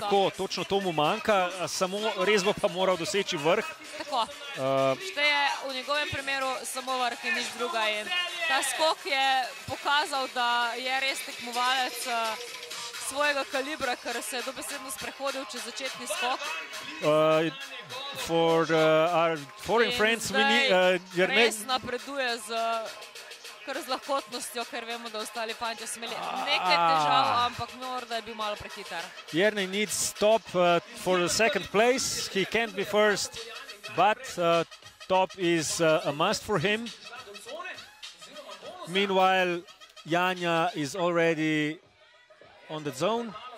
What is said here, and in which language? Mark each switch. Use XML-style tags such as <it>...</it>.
<sl>Tako, točno to mu manjka, samo res bo pa moral doseči vrh. Tako, šteje v njegovem primeru samo vrh in nič druga. In ta skok je pokazal, da je res tekmovalec svojega kalibra, ker se je dobesedno sprehodil čez začetni skok.</sl> <en>For our foreign friends,</en> <sl>zdaj res napreduje z kar z lahkotnostjo, ker vemo, da ostali panče so imeli nekaj težav, ampak morda je bil malo prehiter.</sl> <en>Jernej needs top for the second place. He can't be first, but top is a must for him. Meanwhile, Janja is already on the zone.</en>